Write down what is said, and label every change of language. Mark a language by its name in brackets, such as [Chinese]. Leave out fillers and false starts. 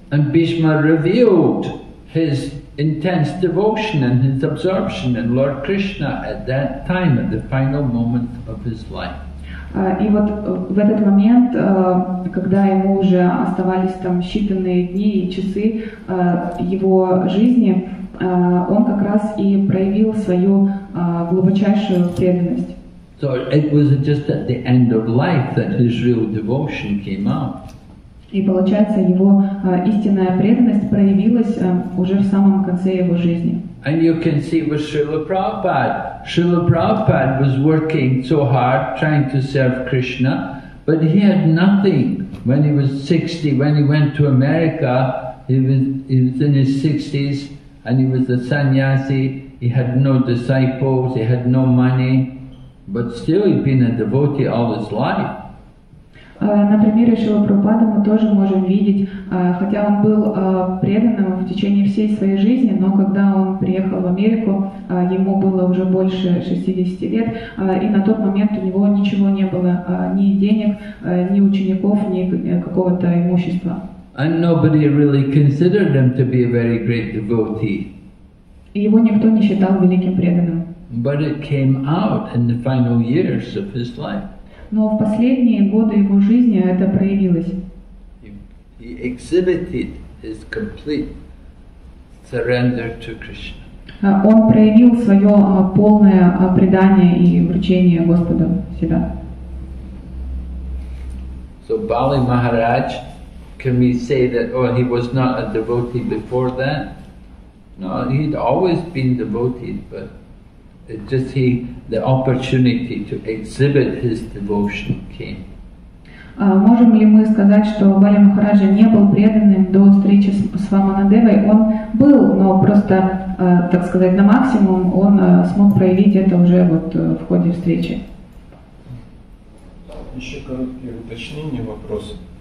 [English] And Bhishma revealed his intense devotion and his absorption in Lord Krishna at that time, at the final moment of his life. [Russian] И вот в этот момент, когда ему уже оставались там считанные дни и часы его жизни, он как раз и проявил свою глубочайшую преданность. [English] So it was just at the end of life that his real devotion came out. [Russian] И получается, его истинная преданность проявилась уже в самом конце его жизни. [English] And you can see with Srila Prabhupada. Srila Prabhupada was working so hard trying to serve Krishna, but he had nothing when he was 60. When he went to America, he was in his 60s and he was a sannyasi. He had no disciples, he had no money, but still he'd been a devotee all his life. [Russian] На примере Шрила Прабхупады мы тоже можем видеть, хотя он был преданным в течение всей своей жизни, но когда он приехал в Америку, ему было уже больше 60 лет, и на тот момент у него ничего не было, ни денег, ни учеников, ни какого-то имущества. [English] And nobody really considered him to be a very great devotee. [Russian] И его никто не считал великим преданным. [English] But it came out in the final years of his life. [Russian] Но в последние годы его жизни это проявилось. [English] He exhibited his complete surrender to Krishna. [Russian] Он проявил свое полное предание и вручение Господу себя. [English] So Bali Maharaj, can we say that he was not a devotee before that? No, he'd always been devoted, but it just he the opportunity to exhibit his devotion came. [Russian] Можем ли мы сказать, что Бали Махараджа не был преданным до встречи с Вамандевой? Он был, но просто, так сказать, на максимум он смог проявить это уже вот в ходе встречи. Еще короткие уточнения, вопросы.